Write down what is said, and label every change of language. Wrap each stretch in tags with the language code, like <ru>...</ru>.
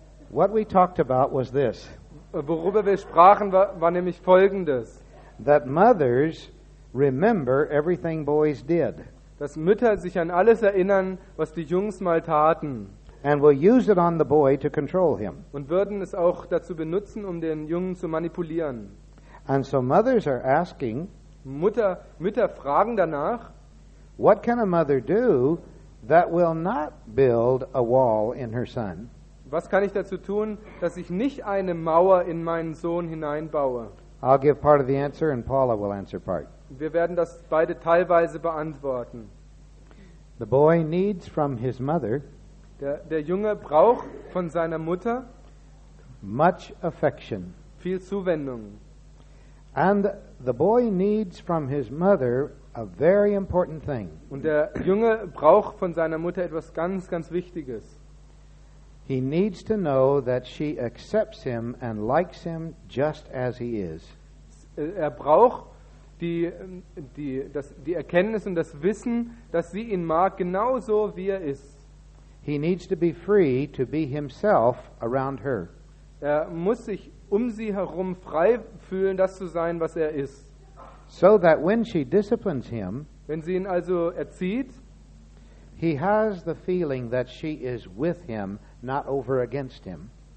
<en>What we talked about was this.</en> <de>Worüber wir sprachen, war nämlich Folgendes.</de> <en>That mothers remember everything boys did.</en> <de>Dass Mütter sich an alles erinnern, was die Jungs mal taten.</de> <en>and will use it on the boy to control him.</en> <de>Und würden es auch dazu benutzen, um den Jungen zu manipulieren.</de> <en>And so mothers are asking,</en> <de>Mütter fragen danach,</de> <en>what can a mother do that will not build a wall in her son?</en> <de>Was kann ich dazu tun, dass ich nicht eine Mauer in meinen Sohn hineinbaue?</de> <en>I'll give part of the answer and Paula will answer part.</en> <de>Wir werden das beide teilweise beantworten.</de> <en>The boy needs from his mother</en> <de>der Junge braucht von seiner Mutter</de> <en>much affection.</en> <de>Viel Zuwendung.</de> <en>And the boy needs from his mother a very important thing.</en> <de>Und der Junge braucht von seiner Mutter etwas ganz, ganz Wichtiges.</de> <en>He needs to know that she accepts him and likes him just as he is.</en> <de>Er braucht die Erkenntnis und das Wissen, dass sie ihn mag, genauso wie er ist.</de> <en>He needs to be free to be himself around her.</en> <de>Er muss sich um sie herum frei fühlen, das zu sein, was er ist.</de> <en>So that when she disciplines him,</en> <de>wenn sie ihn also erzieht,</de> <en>he has the feeling that she is with him, not over against him.</en>